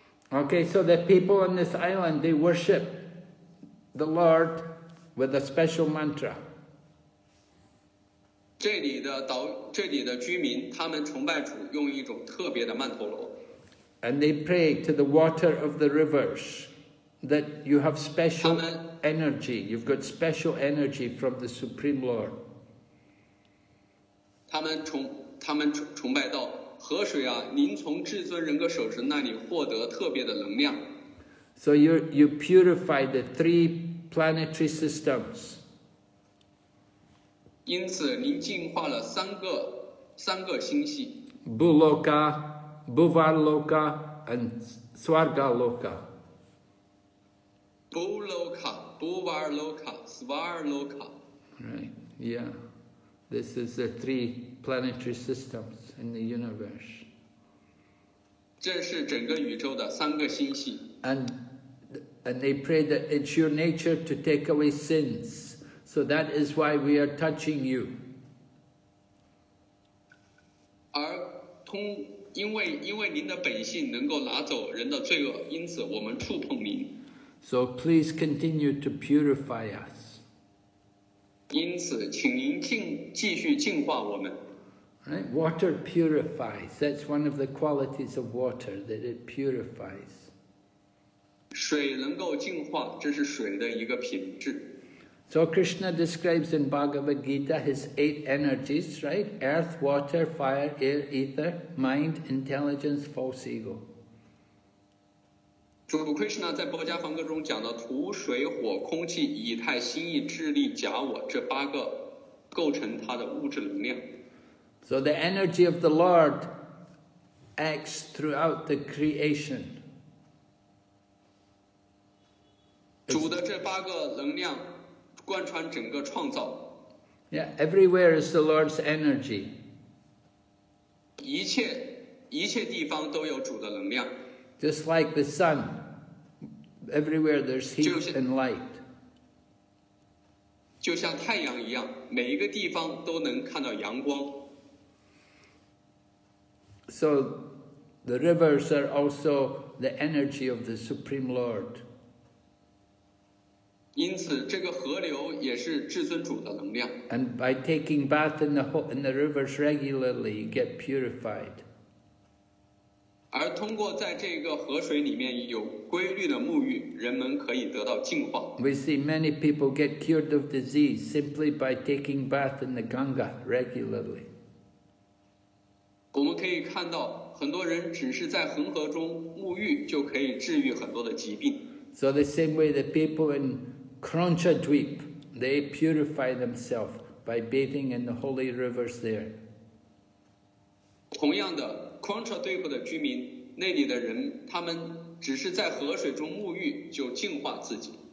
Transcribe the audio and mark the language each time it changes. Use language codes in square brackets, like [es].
[en] Okay, so the people on this island, they worship the Lord with a special mantra. [zh] 这里的居民他们崇拜主用一种特别的曼陀罗。 [en] And they pray to the water of the rivers that you have special energy, you've got special energy from the Supreme Lord. [zh] 他们崇拜到河水啊，您从至尊人格首神那里获得特别的能量。 [en] So you purify the three planetary systems. [zh] 因此您净化了三个星系 [en] Bhuloka, Bhuvarloka and Swargaloka. Bhuloka, Bhuvarloka, Swargaloka. Right, yeah. This is the three planetary systems in the universe. [zh] 这是整个宇宙的三个星系 [en] And they pray that it's your nature to take away sins. So that is why we are touching you. [zh] 因为您的本性能够拿走人的罪恶，因此我们触碰您。 [en] So please continue to purify us. [zh] 因此请您继续净化我们。 [en] Right? Water purifies. That's one of the qualities of water, that it purifies. [zh] 水能够净化，这是水的一个品质。 [en] So Krishna describes in Bhagavad Gita his eight energies, right? Earth, water, fire, air, ether, mind, intelligence, false ego. [zh] 主 Krishna 在波迦梵歌中讲到土、水、火、空气、以太、心意、智力、假我这八个构成他的物质能量。 [en] So the energy of the Lord acts throughout the creation. [zh] 主的这八个能量贯穿整个创造。 [en] Yeah, everywhere is the Lord's energy. [zh] 一切地方都有主的能量。 [en] Just like the sun, everywhere there's heat and light. [zh] 就像太阳一样，每一个地方都能看到阳光。 [en] So the rivers are also the energy of the Supreme Lord. [zh] 因此，这个河流也是至尊主的能量。 [en] And by taking bath in the rivers regularly, you get purified. [zh] 而通过在这个河水里面有规律的沐浴，人们可以得到净化。 [en] We see many people get cured of disease simply by taking bath in the Ganga regularly. [zh] 我们可以看到很多人只是在恒河中沐浴就可以治愈很多的疾病。 [en] So the same way the people in Kranchadweep, they purify themselves by bathing in the holy rivers there. [zh] 同样的 ,Kranchadweep 的居民那里的人他们只是在河水中沐浴就净化自己。